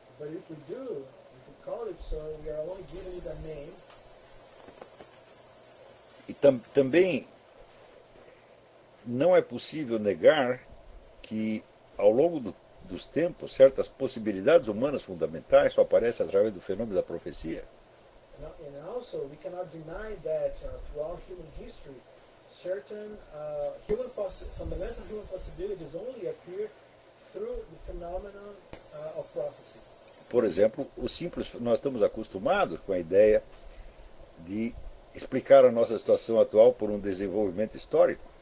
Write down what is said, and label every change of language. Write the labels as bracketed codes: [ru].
[en] But if we do, if we call it so, we are only giving it a name. [pt] E também não é possível negar que ao longo dos tempos certas possibilidades humanas fundamentais só aparecem através do fenômeno da profecia. [en] And also, we cannot deny that throughout human history, certain fundamental human possibilities only appear through the phenomenon of prophecy. [pt] Por exemplo, nós estamos acostumados com a ideia de explicar a nossa situação atual por um desenvolvimento histórico.